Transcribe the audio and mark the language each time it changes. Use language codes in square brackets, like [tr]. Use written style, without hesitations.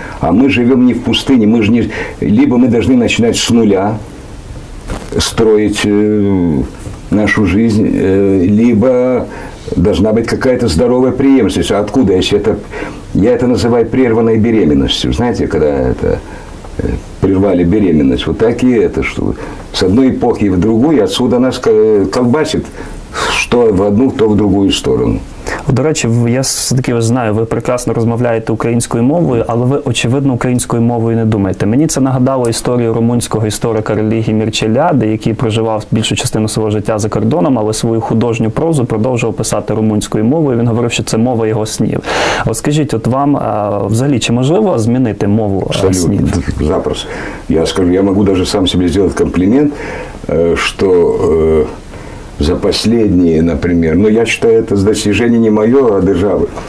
[ru] А мы живем не в пустыне, мы же не... либо мы должны начинать с нуля строить нашу жизнь, либо должна быть какая-то здоровая преемственность. А откуда, если это... Я это называю прерванной беременностью. Знаете, когда это... прервали беременность. Вот так и это, что с одной эпохи в другую, отсюда нас колбасит, что в одну, то в другую сторону. [uk] До речі, я все-таки знаю, ви прекрасно розмовляєте українською мовою, але ви, очевидно, українською мовою не думаєте. Мені це нагадало історію румунського історика Релігі Мірчеляди, який проживав більшу частину свого життя за кордоном, але свою художню прозу продовжував писати румунською мовою. Він говорив, що це мова його снів. От скажіть, от вам взагалі, чи можливо змінити мову снів? Абсолютно, запросто. Я скажу, я можу навіть сам собі зробити комплімент, що... [ru] За последние, например, я считаю, это достижение не мое, а державы.